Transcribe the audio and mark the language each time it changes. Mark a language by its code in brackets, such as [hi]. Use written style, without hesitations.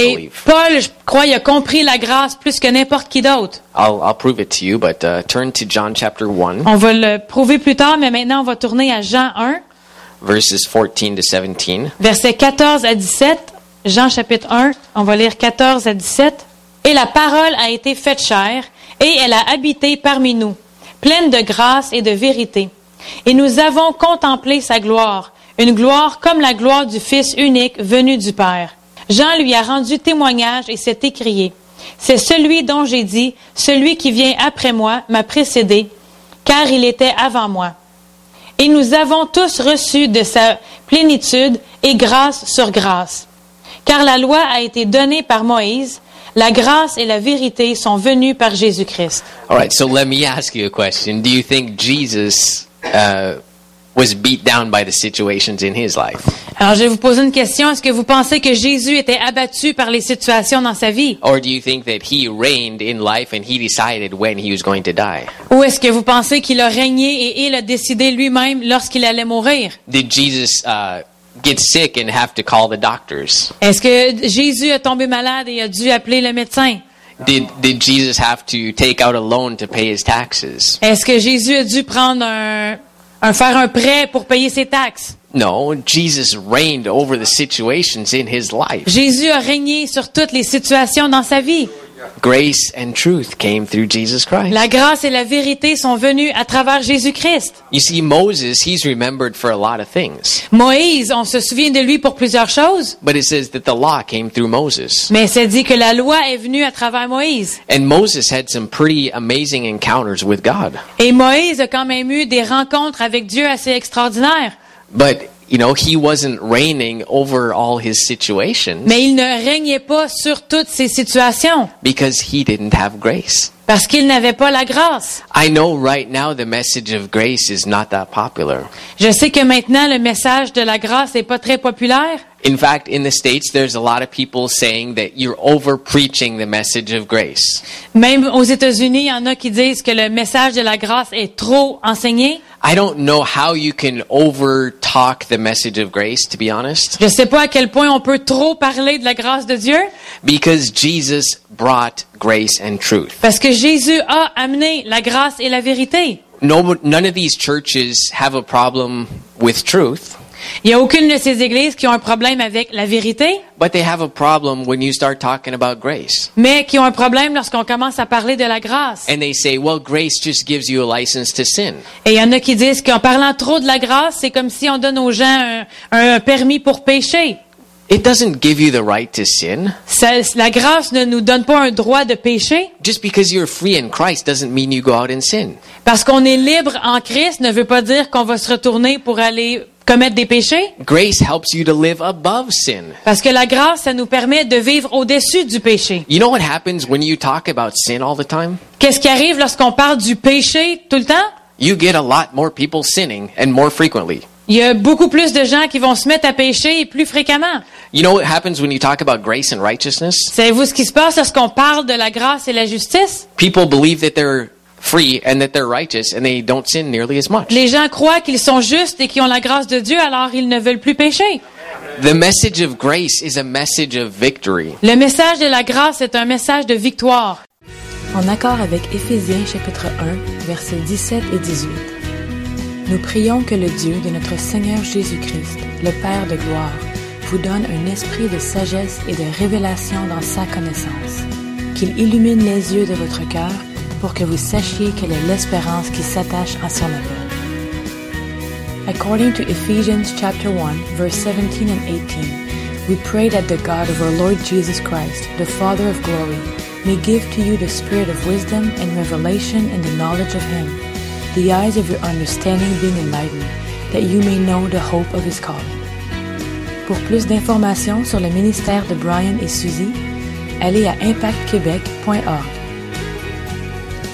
[fr] Et [en] believe. [fr] Paul, je crois, il a compris la grâce plus que n'importe qui d'autre. [en] I'll prove it to you, but turn to John chapter 1. [fr] On va le prouver plus tard, mais maintenant on va tourner à Jean 1. [en] Verses 14 to 17. [fr] Versets 14 à 17. Jean chapitre 1, on va lire 14 à 17. Et la parole a été faite chair, et elle a habité parmi nous, pleine de grâce et de vérité. Et nous avons contemplé sa gloire, une gloire comme la gloire du Fils unique venu du Père. Jean lui a rendu témoignage et s'est écrié, « C'est celui dont j'ai dit, celui qui vient après moi m'a précédé, car il était avant moi. Et nous avons tous reçu de sa plénitude et grâce sur grâce. Car la loi a été donnée par Moïse, la grâce et la vérité sont venues par Jésus-Christ. [en] All right, so let me ask you a question. Do you think Jesus was beat down by the situations in his life? [fr] Alors, je vais vous poser une question. Est-ce que vous pensez que Jésus était abattu par les situations dans sa vie? [en] Or do you think that he reigned in life and he decided when he was going to die? [fr] Ou est-ce que vous pensez qu'il a régné et il a décidé lui-même lorsqu'il allait mourir? [en] Did Jesus get sick and have to call the doctors? [fr] Est-ce que Jésus est tombé malade et a dû appeler le médecin? [en] Did Jesus have to take out a loan to pay his taxes? [fr] Est-ce que Jésus a dû prendre faire un prêt pour payer ses taxes? [en] No, Jesus reigned over the situations in his life. [fr] Jésus a régné sur toutes les situations dans sa vie. [en] Grace and truth came through Jesus Christ. [fr] La grâce et la vérité sont venues à travers Jésus-Christ. [en] You see, Moses, he's remembered for a lot of things. [fr] Moïse, on se souvient de lui pour plusieurs choses. [en] But it says that the law came through Moses. [fr] Mais c'est dit que la loi est venue à travers Moïse. [en] And Moses had some pretty amazing encounters with God. [fr] Et Moïse a quand même eu des rencontres avec Dieu assez extraordinaires. [en] But you know, he wasn't reigning over all his situations. [fr] Mais il ne régnait pas sur toutes ses situations. [en] Because he didn't have grace. [fr] Parce qu'il n'avait pas la grâce. [en] I know right now the message of grace is not that popular. [fr] Je sais que maintenant le message de la grâce est pas très populaire. [en] In fact, in the States, there's a lot of people saying that you're over-preaching the message of grace. [fr] Même aux États-Unis, il y en a qui disent que le message de la grâce est trop enseigné. [en] I don't know how you can over-talk the message of grace, to be honest. [fr] Je sais pas à quel point on peut trop parler de la grâce de Dieu. [en] Because Jesus brought grace and truth. [fr] Parce que Jésus a amené la grâce et la vérité. [en] No, none of these churches have a problem with truth. [fr] Il n'y a aucune de ces églises qui ont un problème avec la vérité. [en] But they have a problem when you start talking about grace. [fr] Mais qui ont un problème lorsqu'on commence à parler de la grâce. [en] And they say, well, grace just gives you a license to sin. [fr] Et il y en a qui disent qu'en parlant trop de la grâce, c'est comme si on donne aux gens un permis pour pécher. [en] It doesn't give you the right to sin. [fr] La grâce ne nous donne pas un droit de pécher. [en] Just because you're free in Christ doesn't mean you go out and sin. [fr] Parce qu'on est libre en Christ ne veut pas dire qu'on va se retourner pour aller commettre des péchés. [en] Grace helps you to live above sin. [fr] Parce que la grâce, ça nous permet de vivre au-dessus du péché. [en] You know what happens when you talk about sin all the time? [fr] Qu'est-ce qui arrive lorsqu'on parle du péché tout le temps? [en] You get a lot more people sinning and more frequently. [fr] Il y a beaucoup plus de gens qui vont se mettre à pécher plus fréquemment. [en] You know what happens when you talk about grace and righteousness? [fr] Savez-vous ce qui se passe lorsqu'on parle de la grâce et la justice? [en] People believe that they're free and that they're righteous and they don't sin nearly as much. [fr] Les gens croient qu'ils sont justes et qu'ils ont la grâce de Dieu, alors ils ne veulent plus pécher. [en] The message of grace is a message of victory. [fr] Le message de la grâce est un message de victoire. En accord avec Éphésiens chapitre 1, versets 17 et 18. Nous prions que le Dieu de notre Seigneur Jésus-Christ, le Père de gloire, vous donne un esprit de sagesse et de révélation dans sa connaissance. Qu'il illumine les yeux de votre cœur pour que vous sachiez quelle est l'espérance qui s'attache à son appel. [en] According to Ephesians chapter 1, verse 17 and 18, we pray that the God of our Lord Jesus Christ, the Father of glory, may give to you the spirit of wisdom and revelation in the knowledge of Him, the eyes of your understanding being enlightened, that you may know the hope of His calling. [fr] Pour plus d'informations sur le ministère de Brian et Suzy, allez à impactquebec.org.